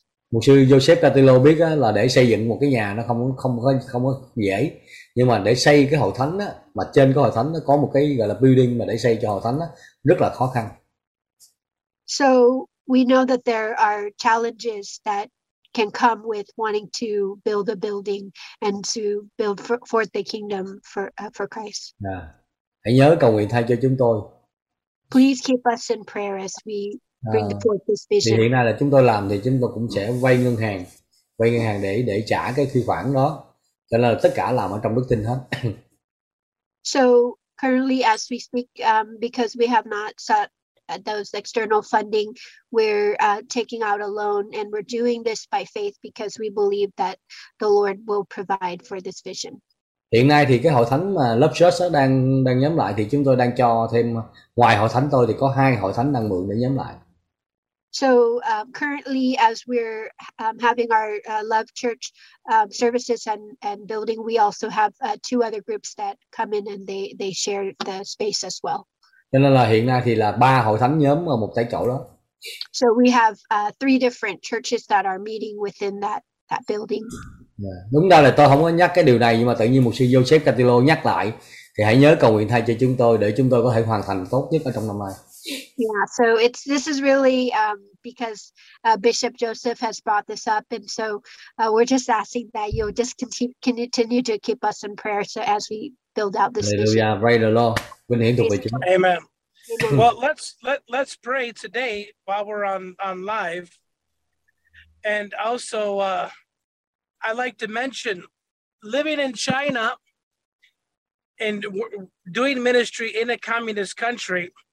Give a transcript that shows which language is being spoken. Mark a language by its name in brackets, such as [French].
[Vietnamese] Mục sư Joseph Catilo biết á, là để xây dựng một cái nhà nó không có dễ, nhưng mà để xây cái hội thánh á, mà trên cái hội thánh nó có một cái gọi là building mà để xây cho hội thánh á, rất là khó khăn. [English] So we know that there are challenges that can come with wanting to build a building and to build forth the kingdom for Christ. Yeah. [Vietnamese] Hãy nhớ cầu nguyện thay cho chúng tôi. [English] Please keep us in prayer as we bring forth this vision. [Vietnamese] Thì hiện nay là chúng tôi làm thì chúng tôi cũng sẽ vay ngân hàng để trả cái chi khoản đó. Cho nên là tất cả làm ở trong đức tin hết. [English] So currently, as we speak, because we have not sought those external funding, we're taking out a loan, and we're doing this by faith because we believe that the Lord will provide for this vision. [Vietnamese] Hiện nay thì cái hội thánh mà Love Church đang nhóm lại thì chúng tôi đang cho thêm, ngoài hội thánh tôi thì có hai hội thánh đang mượn để nhóm lại. [English] So currently, as we're having our Love Church services and building, we also have two other groups that come in and they share the space as well. [Vietnamese] Cho nên là hiện nay thì là ba hội thánh nhóm ở một tại chỗ đó. [English] So we have three different churches that are meeting within that building. Yeah. [Vietnamese] Đúng ra là tôi không có nhắc cái điều này, nhưng mà tự nhiên mục sư Joseph Catilo nhắc lại thì hãy nhớ cầu nguyện thay cho chúng tôi để chúng tôi có thể hoàn thành tốt nhất ở trong năm nay. [English] Yeah, so this is really because Bishop Joseph has brought this up, and so we're just asking that you'll just continue to keep us in prayer so as we build out this mission. Hallelujah, praise the Lord. [Vietnamese] Vinh hiển thuộc về Chúa. [English] Amen. Well, let's pray today while we're on live, and also I like to mention living in China and doing ministry in a communist country.